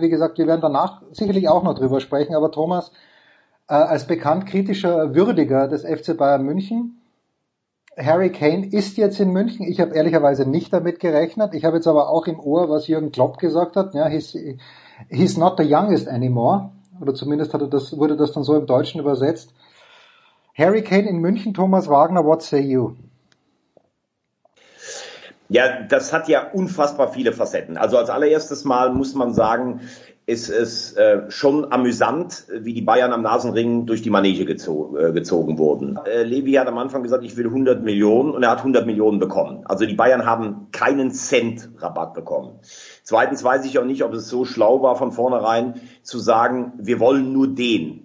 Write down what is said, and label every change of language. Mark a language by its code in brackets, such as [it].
[de] Wie gesagt, wir werden danach sicherlich auch noch drüber sprechen, aber Thomas, als bekannt kritischer Würdiger des FC Bayern München, Harry Kane ist jetzt in München. Ich habe ehrlicherweise nicht damit gerechnet. Ich habe jetzt aber auch im Ohr, was Jürgen Klopp gesagt hat. Ja, [en] he's not the youngest anymore. [de] Oder zumindest wurde das dann so im Deutschen übersetzt. Harry Kane in München, Thomas Wagner, [en] what say you? [de] Ja, das hat ja unfassbar viele Facetten. Also als allererstes Mal muss man sagen, ist es schon amüsant, wie die Bayern am Nasenring durch die Manege gezogen wurden. Levi hat am Anfang gesagt, ich will 100 Millionen und er hat 100 Millionen bekommen. Also die Bayern haben keinen Cent Rabatt bekommen. Zweitens weiß ich auch nicht, ob es so schlau war, von vornherein zu sagen, wir wollen nur den.